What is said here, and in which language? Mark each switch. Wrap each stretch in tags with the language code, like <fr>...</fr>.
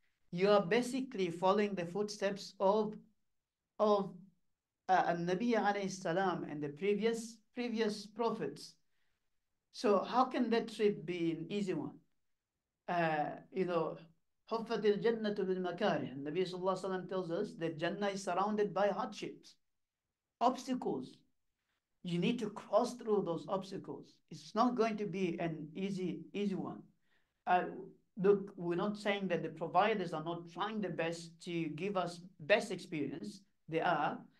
<en>You are basically following the footsteps of Nabi alayhi salam and the previous prophets. So how can that trip be an easy one? You know,</en> <ar>حفت الجنة بالمكاره.</ar> <en>Nabi sallallahu alayhi salam tells us that Jannah is surrounded by hardships, obstacles. You need to cross through those obstacles. It's not going to be an easy one. Look, we're not saying that the providers are not trying their best to give us best experience. They are.</en>